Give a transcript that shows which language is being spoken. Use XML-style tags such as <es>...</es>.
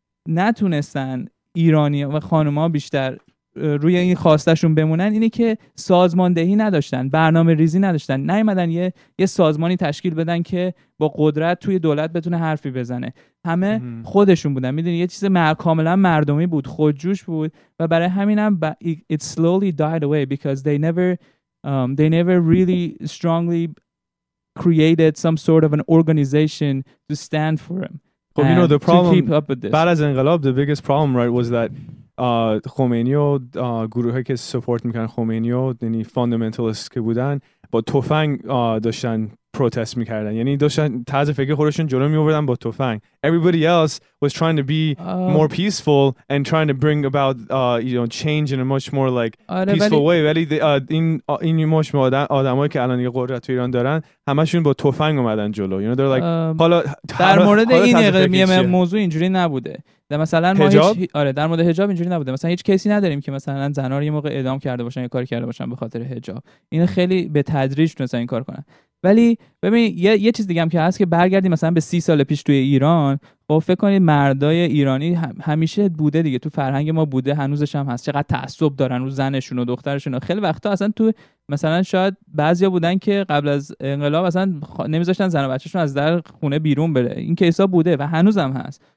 <fa>نتونستن ایرانی و خانوما بیشتر روی این خواستشون بمونن اینه که سازماندهی نداشتن برنامه ریزی نداشتن نیومدن یه سازمانی تشکیل بدن که با قدرت توی دولت بتونه حرفی بزنه همه خودشون بودن میدونی یه چیز کاملا مردمی بود خودجوش بود و برای همینم</fa> <en>it slowly died away because they never really strongly created some sort of an organization to stand for him. Well, you know, the problem,</en> <fa>بعد از انقلاب,</fa> <en>the biggest problem, right, was that Khomeini,</en> <fa>گروه هایی که</fa> <en>support</en> <fa>میکنن</fa> <en>Khomeini,</en> <fa>یعنی</fa> <en>fundamentalists</en> <fa>که بودن, با توفنگ داشتن</fa> <en>protest</en> <fa>میکردن. یعنی داشتن طرز فکر خودشون جلو میوردن با توفنگ.</fa> <en>Everybody else was trying to be more peaceful and trying to bring about, you know, change in a much more like peaceful way.</en> <fa>ولی این مشم آدم هایی که الان یه قدرت تو ایران دارن همشون با توفنگ اومدن جلو.</fa> <en>You know, they're like,</en> <fa>حالا در مورد این موضوع اینجوری نبوده. مثلا ما حجاب؟ در مورد حجاب اینجوری نبوده مثلا هیچ کیسی نداریم که مثلا زنا رو یه موقع اعدام کرده باشن یا کاری کرده باشن به خاطر حجاب این خیلی به تدریج تونستن این کار کنن ولی ببین یه چیز دیگه هم که هست که برگردیم مثلا به 30 سال پیش توی ایران خب فکر کنید مردای ایرانی همیشه بوده دیگه تو فرهنگ ما بوده هنوزش هم هست چقدر تعصب دارن رو زنشون و دخترشون خیلی وقتا اصلا تو مثلا شاید بعضیا بودن که قبل از انقلاب اصلا نمیذاشتن زن و بچه‌شون از در خونه بیرون بره این کیسا بوده و هنوزم هست</fa>